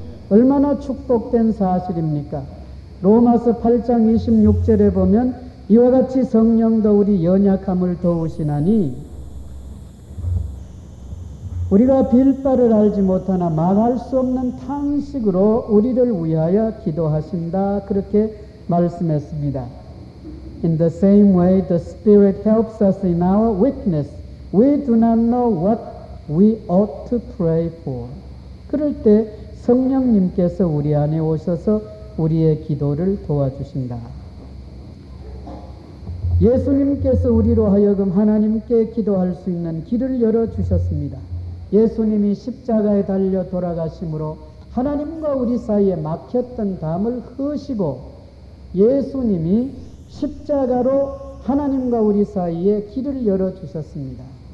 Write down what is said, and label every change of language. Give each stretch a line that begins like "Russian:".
Korean: 얼마나 축복된 사실입니까? 로마서 8장 26절에 보면 이와 같이 성령도 우리 연약함을 도우시나니 우리가 빌바를 알지 못하나 말할 수 없는 탄식으로 우리를 위하여 기도하신다. 그렇게 말씀했습니다.
English: In the same way, the Spirit helps us in our weakness. We do not know what we ought to pray for.
Korean: 그럴 때 성령님께서 우리 안에 오셔서 우리의 기도를 도와주신다. 예수님께서 우리로 하여금 하나님께 기도할 수 있는 길을 열어주셨습니다. 예수님이 십자가에 달려 돌아가심으로 하나님과 우리 사이에 막혔던 담을 허시고 예수님이 십자가로 하나님과 우리 사이에 길을 열어주셨습니다.